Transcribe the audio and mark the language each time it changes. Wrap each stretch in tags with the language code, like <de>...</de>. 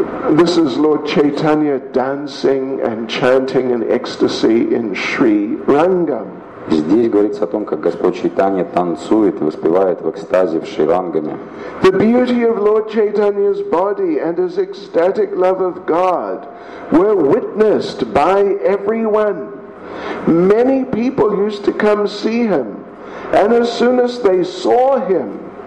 <en>This is Lord Chaitanya dancing and chanting in ecstasy in Sri Rangam.</en> <ru>Здесь говорится о том, как Господь Чайтанья танцует и воспевает в экстазе в Шри Рангаме.</ru> <en>The beauty of Lord Chaitanya's body and his ecstatic love of God were witnessed by everyone. Many people used to come see him, and as soon as they saw him,</en>